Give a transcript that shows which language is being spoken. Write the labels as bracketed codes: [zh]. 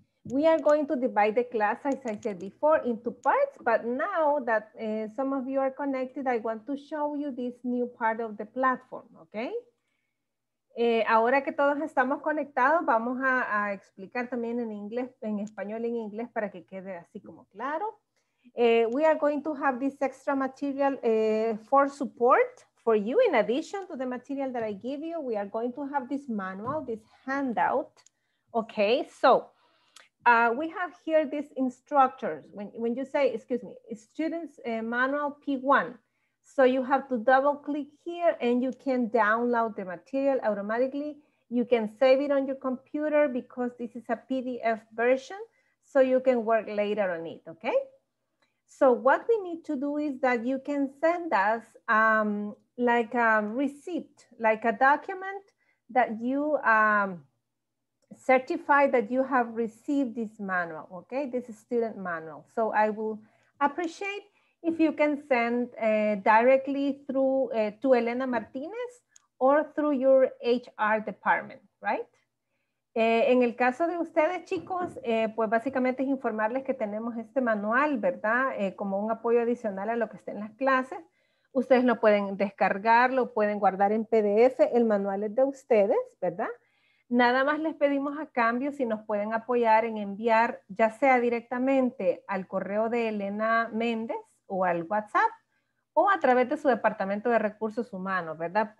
[en] We are going to divide the class, as I said before, into parts, but now that some of you are connected, I want to show you this new part of the platform, okay? [es] Ahora que todos estamos conectados, vamos a explicar también en inglés, en español y en inglés para que quede así como claro. [en] We are going to have this extra material for support for you. In addition to the material that I give you, we are going to have this manual, this handout. Okay, so we have here these instructors. When you say, excuse me, students manual P1. So you have to double click here and you can download the material automatically. You can save it on your computer because this is a PDF version, so you can work later on it, okay? So what we need to do is that you can send us like a receipt, like a document that you certify that you have received this manual, okay? This is student manual. So I will appreciate if you can send directly through to Elena Martinez or through your HR department, right? [es] En el caso de ustedes, chicos, pues básicamente es informarles que tenemos este manual, ¿verdad? Como un apoyo adicional a lo que está en las clases. Ustedes lo pueden descargar, lo pueden guardar en PDF. El manual es de ustedes, ¿verdad? Nada más les pedimos a cambio si nos pueden apoyar en enviar, ya sea directamente al correo de Elena Méndez o al WhatsApp, o a través de su departamento de recursos humanos, ¿verdad?